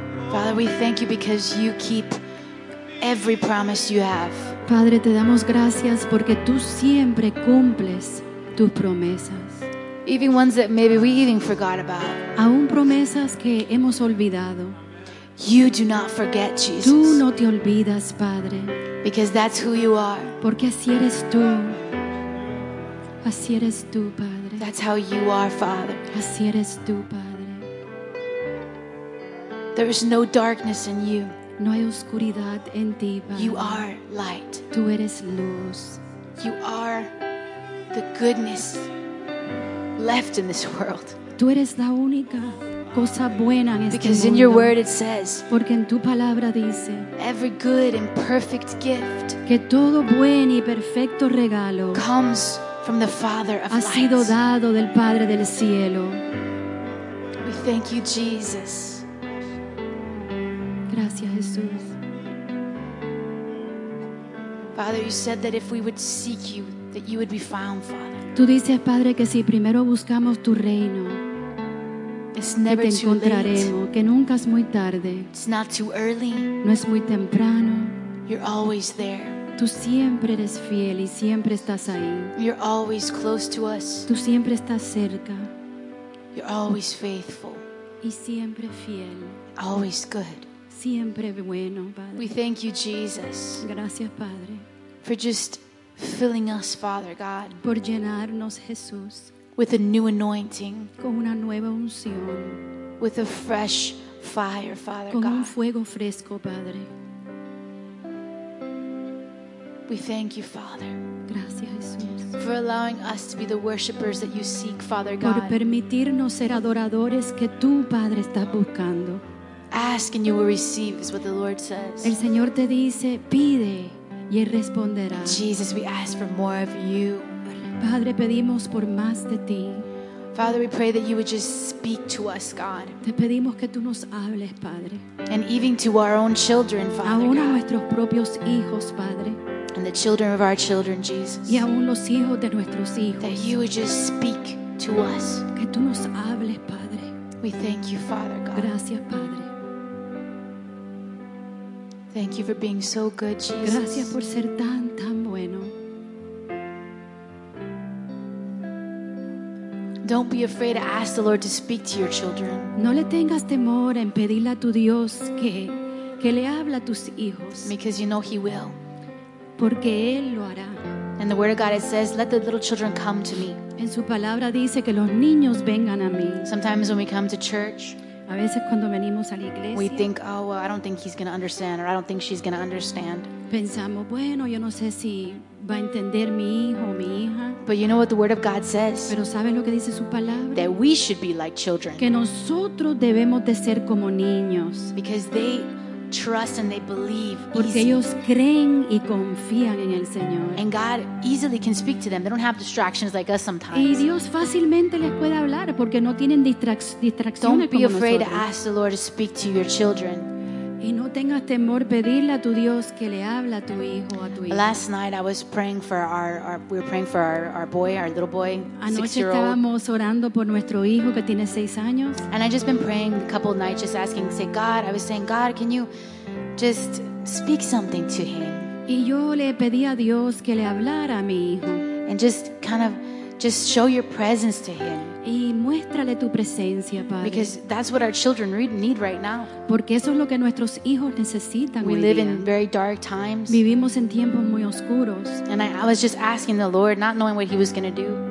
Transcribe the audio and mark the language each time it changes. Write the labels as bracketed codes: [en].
[en] Father, we thank you because you keep every promise you have. [es] Padre, te damos gracias porque tú siempre cumples tus promesas. [en] Even ones that maybe we even forgot about. [es] Aún promesas que hemos olvidado. [en] You do not forget, Jesus. [es] Tú no te olvidas, Padre. [en] Because that's who you are. [es] Porque así eres tú. Así eres tú, Padre. [en] That's how you are, Father. [es] Así eres tú, Padre. [en] There is no darkness in you. [es] No hay oscuridad en ti, Padre. [en] You are light. [es] Tú eres luz. [en] You are the goodness left in this world. [es] Tú eres la única cosa buena en este mundo. [en] Because in your word it says, [es] porque en tu palabra dice, [en] every good and perfect gift, [es] que todo buen y perfecto regalo, [en] comes from the Father of lights. [es] Ha sido dado del Padre del cielo. [en] We thank you, Jesus. [es] Gracias, Jesús. [en] Father, you said that if we would seek you, that you would be found, Father. [es] Tú dices, Padre, que si primero buscamos tu reino, [en] it's never [es] que te encontraremos, que nunca es muy tarde. [en] It's not too early. [es] No es muy temprano. [en] You're always there. [es] Tú siempre eres fiel y siempre estás ahí. [en] You're always close to us. [es] Tú siempre estás cerca. [en] You're always faithful. [es] Y siempre fiel. [en] Always good. [es] Siempre bueno, Padre. [en] We thank you, Jesus. [es] Gracias, Padre. [en] For just filling us, Father God. [es] Por llenarnos, Jesús. [en] With a new anointing. [es] Con una nueva unción. [en] With a fresh fire, Father [es] con [en] God. [es] Con un fuego fresco, Padre. [en] We thank you, Father. [es] Gracias, Jesús. [en] For allowing us to be the worshipers that you seek, Father God. [es] Por permitirnos ser adoradores que tú, Padre, estás buscando. [en] Ask and you will receive is what the Lord says. [es] El Señor te dice, pide y él responderá. [en] Jesus, we ask for more of you. [es] Padre, pedimos por más de ti. [en] Father, we pray that you would just speak to us, God. [es] Te pedimos que tú nos hables, Padre. [en] And even to our own children, Father. [es] Aún a nuestros propios hijos, Padre. [en] And the children of our children, Jesus. [es] Y aún los hijos de nuestros hijos. [en] That you would just speak to us. [es] Que tú nos hables, Padre. [en] We thank you, Father God. [es] Gracias, Padre. [en] Thank you for being so good, Jesus. [es] Gracias por ser tan, tan bueno. [en] Don't be afraid to ask the Lord to speak to your children. [es] No le tengas temor en pedirle a tu Dios que le hable a tus hijos. [en] Because you know he will. [es] Porque él lo hará. [en] And the word of God it says, let the little children come to me. [es] En su palabra dice que los niños vengan a mí. [en] Sometimes when we come to church, [es] a veces cuando venimos a la iglesia, [en] we think, oh, well, I don't think he's going to understand, or I don't think she's going to understand. [es] Pensamos, bueno, yo no sé si va a entender mi hijo o mi hija. [en] But you know what the word of God says? [es] Pero ¿saben lo que dice su palabra? [en] That we should be like children. [es] Que nosotros debemos de ser como niños. [en] Because they trust and they believe. [es] Porque [en] easy. [es] Ellos creen y confían en el Señor. [en] And God easily can speak to them. They don't have distractions like us sometimes. [es] Y Dios fácilmente les puede hablar porque no tienen distracciones. [en] Don't be [es] como [en] afraid [es] nosotros. [en] To ask the Lord to speak to your children. [es] Y no tengas temor pedirle a tu Dios que le hable a tu hijo o a tu hija. [en] Last night I was praying for our little boy, [es] anoche estábamos orando por nuestro hijo que tiene 6 años. [en] And I just been praying a couple of nights just asking, say God, I was saying, God, can you just speak something to him? [es] Y yo le pedí a Dios que le hablara a mi hijo. [en] And just kind of just show your presence to him. [es] Y muéstrale tu presencia, Padre. [en] Because that's what our children need right now. [es] Porque eso es lo que nuestros hijos necesitan hoy día. [en] We live in very dark times. [es] Vivimos en tiempos muy oscuros. [en] And I was just asking the Lord, not knowing what he was going to do.